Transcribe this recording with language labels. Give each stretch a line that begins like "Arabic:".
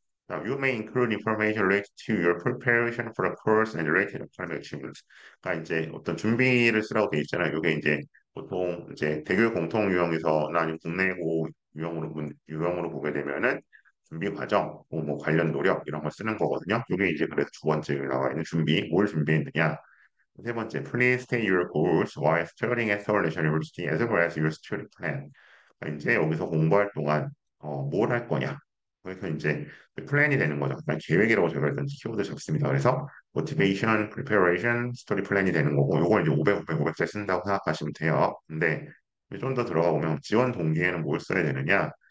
English: You may include information related to your preparation for a course and related academic achievements.
Korean: 그러니까 이제 어떤 준비를 쓰라고 되어 있잖아요. 이게 이제 보통 이제 대교육 공통 유형에서 아니면 국내고 유형으로 보게 되면은 준비 과정, 뭐 관련 노력 이런 걸 쓰는 거거든요. 이게 이제 그래서 두 번째 나와 있는 준비, 뭘 준비했느냐. 세 번째,
English: Please state your goals while studying at Seoul National University as well as your study plan.
Korean: 이제 여기서 공부할 동안 뭘할 거냐. 그래서 이제 플랜이 되는 거죠. 계획이라고 제가 일단 키워드 잡습니다. 그래서 motivation, preparation, study plan이 되는 거고, 요걸 이제 500자 쓴다고 생각하시면 돼요. 근데 좀더 들어가 보면 지원 동기에는 뭘 써야 되느냐.